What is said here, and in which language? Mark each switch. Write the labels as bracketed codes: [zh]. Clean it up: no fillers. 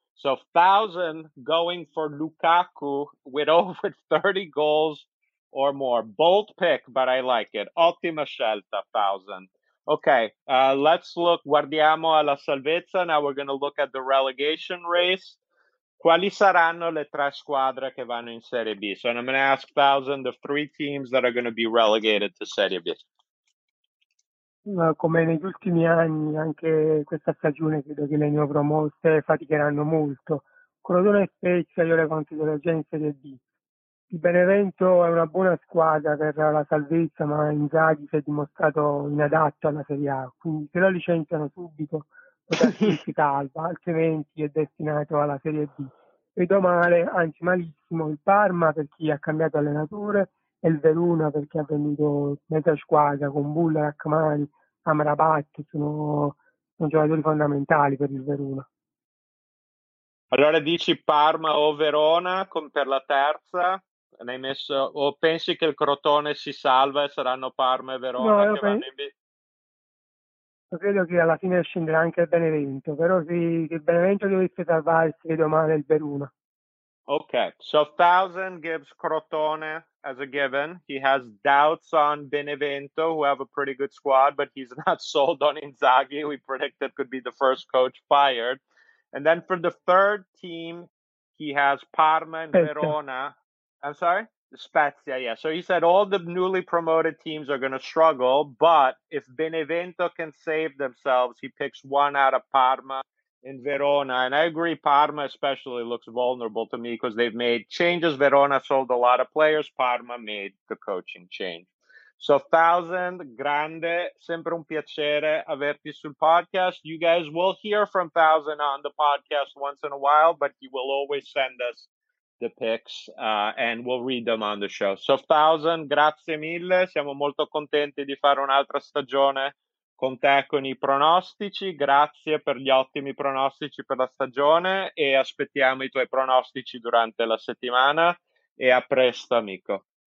[en] So Thousand going for Lukaku with over 30 goals or more. Bold pick, but I like it. [it] Ottima scelta, [en] Thousand. Okay, let's look. [it] Guardiamo alla salvezza. [en] Now we're going to look at the relegation race. [it] Quali saranno le tre squadre che vanno in Serie B? [en] So I'm going to ask Thousand the three teams that are going to be relegated to Serie B. [it] Come negli ultimi anni, anche questa stagione credo che le neopromosse faticheranno molto. quello di una Spezia io le considero già in Serie B. Il Benevento è una buona squadra per la salvezza, ma Inzaghi si è dimostrato inadatto alla Serie A, quindi se lo licenziano subito potrebbe essere Calva, altrimenti è destinato alla Serie B. Vedo male, anzi malissimo, il Parma per chi ha cambiato allenatore e il Verona per chi ha venduto mezza squadra con Bulla, Rachmani, Amrabat, sono giocatori fondamentali per il Verona. Allora dici Parma o Verona per la terza? Ne hai messo, o pensi che il Crotone si salva e saranno Parma e Verona? No, che vanno in B? Io credo che alla fine scenderà anche il Benevento, però se il Benevento dovesse salvarsi, vedo male il Verona. [en] Ok, so 1000 gives Crotone as a given. He has doubts on Benevento, who have a pretty good squad, but he's not sold on Inzaghi, who he predicted could be the first coach fired. And then for the third team, he has Parma and Verona. I'm sorry? Spezia, yeah. So he said all the newly promoted teams are going to struggle, but if Benevento can save themselves, he picks one out of Parma and Verona. And I agree, Parma especially looks vulnerable to me because they've made changes. Verona sold a lot of players. Parma made the coaching change. [it] So 1000, grande, sempre un piacere averti sul podcast. [en] You guys will hear from 1000 on the podcast once in a while, but he will always send us the picks and we'll read them on the show. [it] So 1000, grazie mille, siamo molto contenti di fare un'altra stagione con te con i pronostici. Grazie per gli ottimi pronostici per la stagione e aspettiamo i tuoi pronostici durante la settimana e a presto, amico.